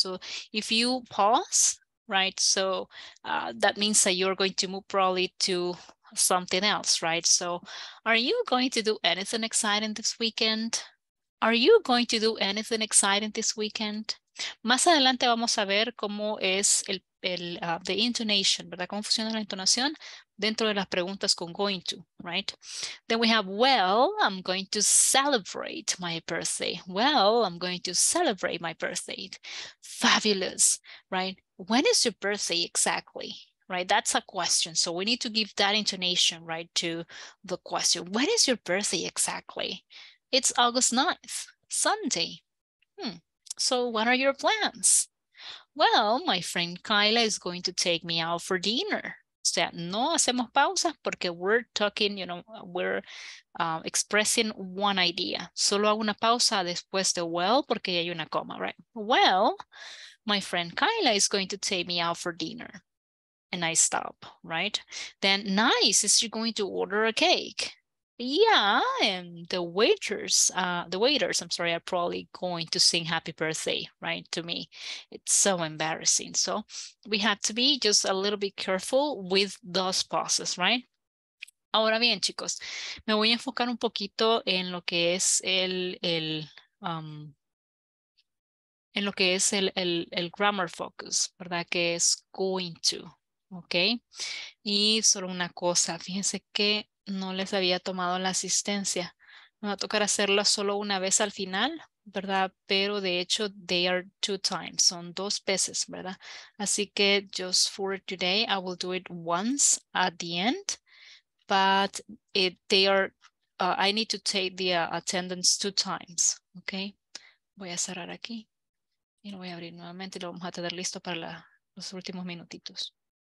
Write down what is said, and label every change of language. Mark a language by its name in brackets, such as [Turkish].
[English] So if you pause, right? So that means that you're going to move probably to something else, right? So are you going to do anything exciting this weekend? Are you going to do anything exciting this weekend? [Spanish] Más adelante vamos a ver cómo es [English] the intonation, [Spanish] ¿verdad? Cómo funciona la entonación dentro de las preguntas con going to, right? [English] Then we have, well, I'm going to celebrate my birthday. Well, I'm going to celebrate my birthday. Fabulous, right? When is your birthday exactly? Right, that's a question. So we need to give that intonation, right, to the question. When is your birthday exactly? It's August 9th, Sunday. So what are your plans? Well, my friend Kyla is going to take me out for dinner. [Spanish] O sea, no hacemos pausa porque [English] we're talking, you know, we're expressing one idea. [Spanish] Solo hago una pausa después de well porque hay una coma, right? [English] Well, my friend Kyla is going to take me out for dinner. And I stop, right? Then, nice, is she going to order a cake? Yeah, and the waiters are probably going to sing happy birthday, right, to me. It's so embarrassing. So we have to be just a little bit careful with those pauses, right? [Spanish] Ahora bien, chicos, me voy a enfocar un poquito en lo que es el grammar focus, ¿verdad? Que es going to, okay? Y solo una cosa, fíjense que no les había tomado la asistencia. Me va a tocar hacerla solo una vez al final, ¿verdad? Pero de hecho, [English] they are two times. [Spanish] Son dos veces, ¿verdad? Así que [English] just for today, I will do it once at the end. But I need to take the attendance two times, okay? [Spanish] Voy a cerrar aquí. Y lo voy a abrir nuevamente y lo vamos a tener listo para los últimos minutitos.